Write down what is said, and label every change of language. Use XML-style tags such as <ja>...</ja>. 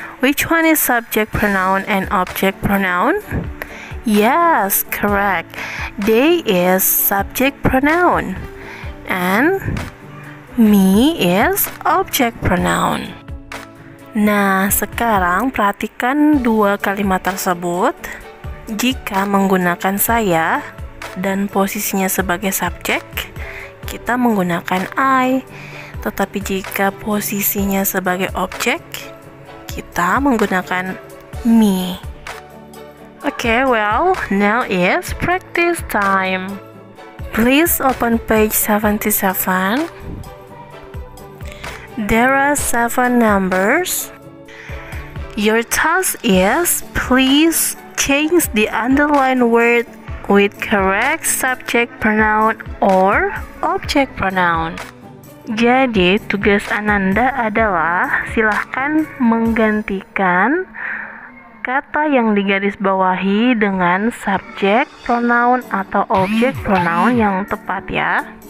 <en>Which one is subject pronoun and object pronoun? Yes, correct. They is subject pronoun and me is object pronoun.</en> <id>Nah, sekarang perhatikan dua kalimat tersebut. Jika menggunakan saya dan posisinya sebagai subjek, kita menggunakan I. Tetapi jika posisinya sebagai objek, kita menggunakan me.</id> <en>Okay, well, now is practice time. Please open page 77. There are 7 numbers. Your task is please check change the underlined word with correct subject pronoun or object pronoun.</en> <id>Jadi tugas Ananda adalah silahkan menggantikan kata yang digarisbawahi dengan subject pronoun atau object pronoun yang tepat ya.</id>